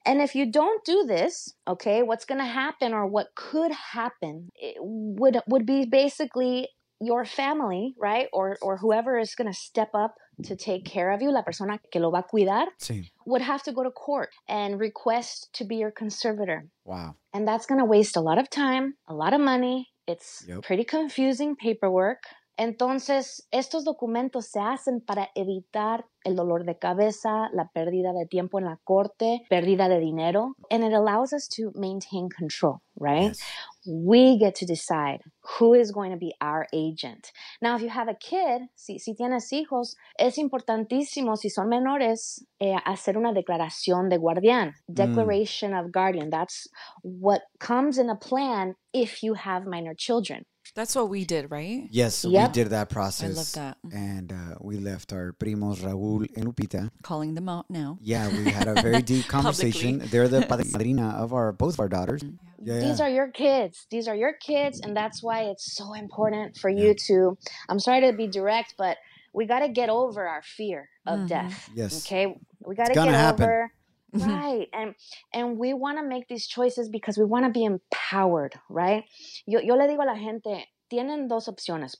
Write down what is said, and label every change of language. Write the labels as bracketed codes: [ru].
[en] And if you don't do this, okay, what's going to happen or what could happen would be basically your family, right? Or whoever is going to step up to take care of you, [es] la persona que lo va a cuidar, [en] would have to go to court and request to be your conservator. Wow. And that's going to waste a lot of time, a lot of money. It's pretty confusing paperwork. [es] Entonces, estos documentos se hacen para evitar el dolor de cabeza, la pérdida de tiempo en la corte, pérdida de dinero. [en] And it allows us to maintain control, right? Yes. We get to decide who is going to be our agent. Now, if you have a kid, [es] si tienes hijos, es importantísimo, si son menores, hacer una declaración de guardián. [en] Declaration of guardian. That's what comes in a plan if you have minor children. That's what we did, right? Yes, we did that process. I love that. And we left our primos Raúl and Lupita. Calling them out now. Yeah, we had a very deep conversation. They're the padrina of both of our daughters. Yeah. These are your kids. These are your kids. And that's why it's so important for you to, I'm sorry to be direct, but we got to get over our fear of death. Yes. Okay. We got to get over. Right. And we want to make these choices because we want to be empowered, right? [es] Yo le digo a la gente, tienen dos opciones.